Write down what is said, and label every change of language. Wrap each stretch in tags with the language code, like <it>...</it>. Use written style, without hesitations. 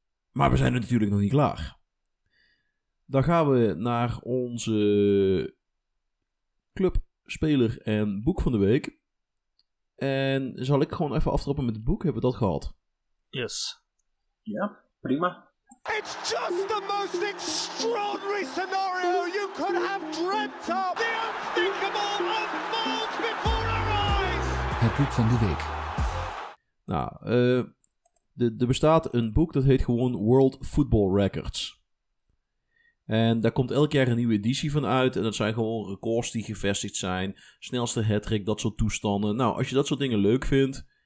<nl>Maar we zijn er natuurlijk nog niet klaar. Dan gaan we naar onze club, speler en boek van de week. En zal ik gewoon even aftrappen met het boek? Hebben we dat gehad?</nl> <en>Yes.</en> <nl>Ja, prima.</nl> <en>It's just the most extraordinary scenario you could have dreamt of. The unthinkable unfolds before our eyes.</en> <nl>Het boek van de week. Nou, er bestaat een boek dat heet gewoon World Football Records. En daar komt elk jaar een nieuwe editie van uit. En dat zijn gewoon records die gevestigd zijn. Snelste hattrick, dat soort toestanden. Nou, als je dat soort dingen leuk vindt.</nl>